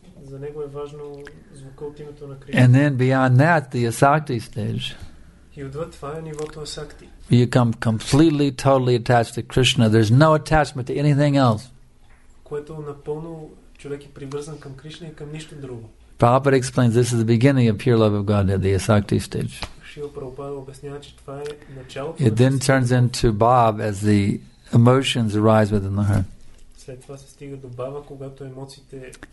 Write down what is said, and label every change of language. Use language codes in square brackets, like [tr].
[bg] За него е важно звука от името на [en] Кришна. And then beyond that, the asakti stage. [bg] И отвъд това е нивото асакти. [en] You become completely, totally attached to Krishna. There's no attachment to anything else. [bg] Което напълно човек е привързан към Кришна и към нищо друго. [en] Prabhupada explains this is the beginning of pure love of Godhead, the asakti stage. [bg] Шрила Прабхупада обяснява, че това е началото. [en] It then turns into bhav as the emotions arise within the heart. [bg] След това се стига до бхава, когато емоциите.